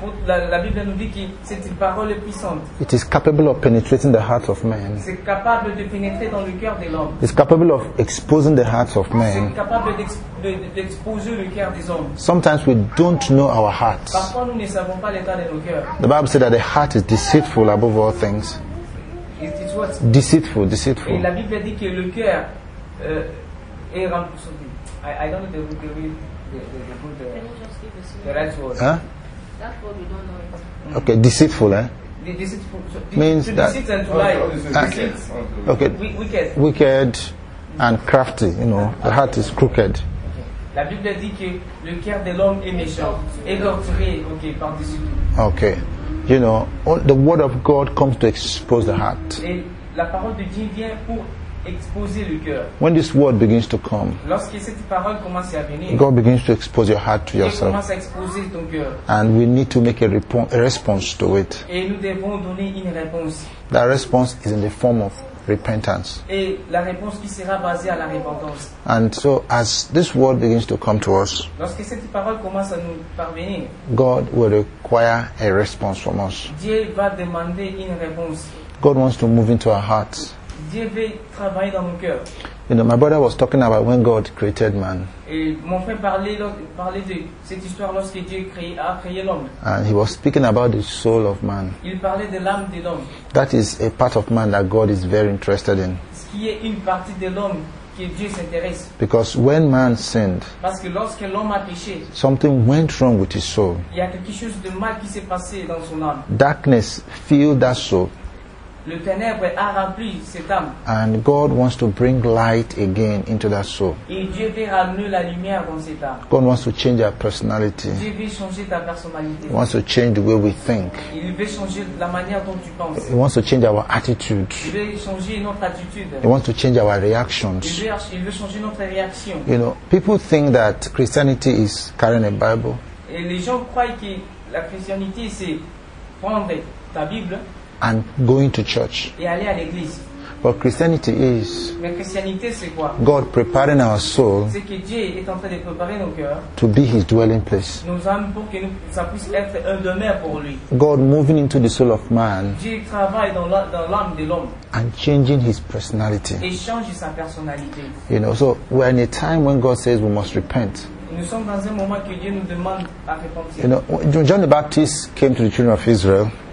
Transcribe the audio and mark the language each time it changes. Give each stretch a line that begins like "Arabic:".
French: La Bible nous dit que c'est une parole puissante.
English: It is capable of penetrating the heart of man.
French: C'est capable de pénétrer dans le cœur de l'homme.
English: It's capable of exposing the hearts of men.
French: C'est capable d'exposer le cœur des hommes.
English: Sometimes we don't know our hearts.
French: Parfois nous ne savons pas l'état de nos cœurs.
English: The Bible says that the heart is deceitful above all things. Deceitful, deceitful.
French: Et la Bible dit que le cœur est rempli.
English: I don't know the right word. Huh? That word we don't know it. Okay, deceitful, eh? Deceitful. Means to that. Deceit and to lie. Okay. Wicked. Wicked and crafty. You know, the heart is crooked.
French: Okay. La Bible dit que le cœur de l'homme est méchant, égorgé. Okay, par deceit.
English: Okay. You know, the word of God comes to expose the heart.
French: La parole de Dieu vient pour exposer le cœur.
English: When this word begins to come,
French: lorsque cette parole commence à venir,
English: God begins to expose your heart to
French: Dieu
English: yourself.
French: Commence à exposer ton cœur.
English: And we need to make a response to it.
French: Et nous devons donner une réponse.
English: That response is in the form of repentance.
French: Et la réponse qui sera basée à la repentance.
English: And so as this word begins to come to us,
French: lorsque cette parole commence à nous parvenir,
English: God will require a response from us.
French: Dieu va demander une réponse.
English: God wants to move into our hearts.
French: Dieu veut travailler dans mon cœur.
English: You know, my brother was talking about when God created man.
French: Et mon frère parlait de cette histoire lorsque Dieu a créé l'homme.
English: And he was speaking about the soul of man.
French: Il parlait de l'âme de l'homme.
English: That is a part of man that God is very interested in.
French: Ce qui est une partie de l'homme que Dieu s'intéresse.
English: Because when man sinned,
French: parce que lorsque l'homme a péché,
English: something went wrong with his soul.
French: Il y a quelque chose de mal qui s'est passé dans son âme.
English: Darkness filled that soul.
French: Le ténèbre a rempli cette âme.
English: And God wants to bring light again into that soul.
French: Et Dieu veut ramener la lumière dans cette âme.
English: God wants to change our personality.
French: Dieu veut changer ta personnalité.
English: He wants to change the way we think.
French: Il veut changer la manière dont tu penses.
English: He wants to change our attitude.
French: Il veut changer notre attitude.
English: He wants to change our reactions.
French: Il veut changer notre réaction.
English: You know, people think that Christianity is carrying a Bible.
French: Et les gens croient que la christianité c'est prendre ta Bible
English: and going to church.
French: Et aller à l'église.
English: But Christianity is,
French: mais Christianité, c'est quoi?
English: God preparing our soul,
French: c'est que Dieu est en train de préparer nos cœurs,
English: to be his dwelling place.
French: Nos âmes pour que nous, ça puisse être un demeure pour lui.
English: God moving into the soul of man,
French: Dieu travaille dans l'âme de l'homme,
English: and changing his personality.
French: Et change sa personnalité.
English: You know, so we're in a time when God says we must repent.
French: Nous sommes dans un moment que Dieu nous demande à repentir.
English: You know, John the Baptist came to the children of Israel.